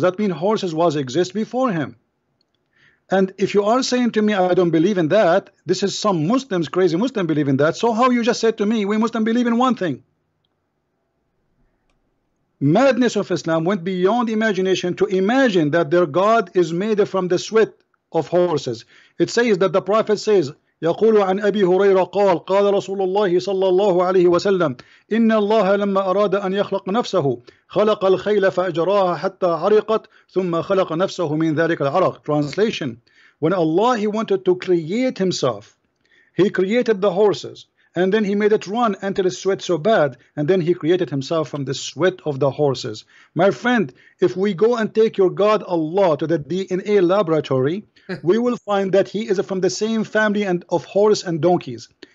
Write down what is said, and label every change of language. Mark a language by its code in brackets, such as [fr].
[en] That means horses was exist before him. And if you are saying to me, I don't believe in that, this is some Muslims, crazy Muslim believe in that. So how you just said to me, we Muslim believe in one thing? Madness of Islam went beyond imagination to imagine that their God is made from the sweat of horses. It says that the Prophet says, [ar] يقول عن أبي هريرة قال قال رسول الله صلى الله عليه وسلم إن الله لما أراد أن يخلق نفسه خلق الخيل فأجراها حتى عرقت ثم خلق نفسه من ذلك العرق. [en] Translation: when Allah, he wanted to create himself, he created the horses and then he made it run until it sweat so bad, and then he created himself from the sweat of the horses. My friend, if we go and take your God Allah to the DNA laboratory, we will find that he is from the same family and of horse and donkeys.